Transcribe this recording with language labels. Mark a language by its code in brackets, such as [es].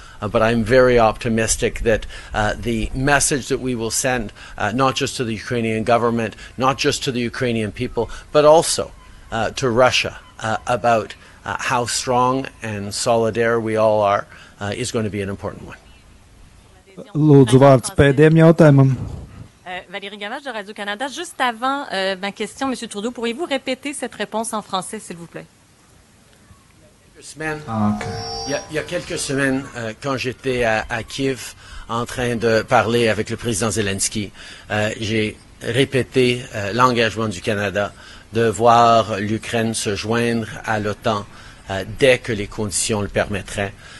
[en] But I'm very optimistic that the message that we will send, not just to the Ukrainian government, not just to the Ukrainian people, but also to Russia, about how strong and solidaire we all are, is going to be an important one. [lv] Lūdzu vārds pēdējiem jautājumam. [fr] Valérie Rinkēvičs de Radio-Canada. Juste avant ma question, M. Trudeau, pourriez-vous répéter cette réponse en français, s'il vous plaît? Il y a quelques semaines, quand j'étais à Kiev en train de parler avec le président Zelensky, j'ai répété l'engagement du Canada de voir l'Ukraine se joindre à l'OTAN dès que les conditions le permettraient.